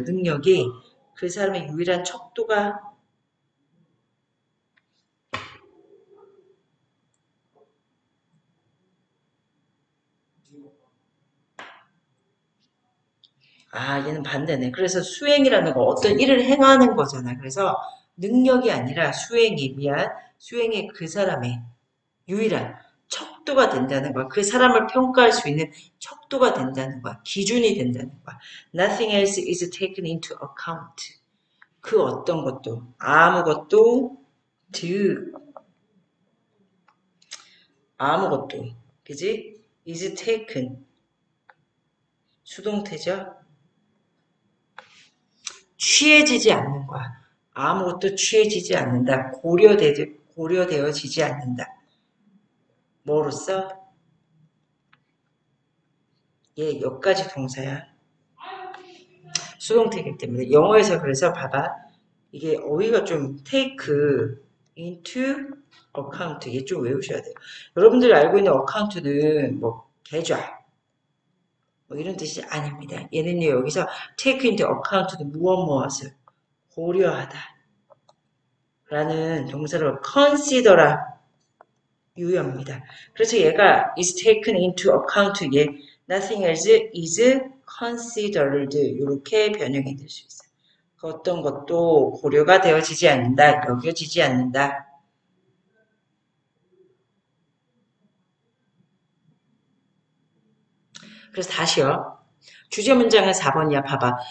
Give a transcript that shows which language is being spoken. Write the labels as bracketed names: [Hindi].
[Korean] 능력이 그 사람의 유일한 척도가 아, 얘는 반대네. 그래서 수행이라는 거 어떤 일을 행하는 거잖아. 그래서 능력이 아니라 수행이 미안. 수행이 그 사람의 유일한 척도가 된다는 거야. 그 사람을 평가할 수 있는 척도가 된다는 거야. 기준이 된다는 거야. [English] Nothing else is taken into account. [Korean] 그 어떤 것도, 아무것도, 아무것도, 그지? [English] is taken. [Korean] 수동태죠? 취해지지 않는 거야. 아무것도 취해지지 않는다. 고려되어지지 않는다. 뭐로써? 예, 여기까지 동사야. 수동태이기 때문에. 영어에서 그래서 봐봐. 이게 어휘가 좀 take into account. 이게 좀 외우셔야 돼요. 여러분들이 알고 있는 account는 뭐, 계좌. 뭐 이런 뜻이 아닙니다. 얘는요, 여기서 take into account는 무엇무엇을 고려하다. 라는 동사로 consider라. 유형입니다. 그래서 얘가 [English] is taken into account. [Korean] 얘 [English] nothing else is considered. [Korean] 이렇게 변형이 될수 있어요. 그 어떤 것도 고려가 되어지지 않는다. 여겨지지 않는다. 그래서 다시요. 주제 문장은 4번이야. 봐봐.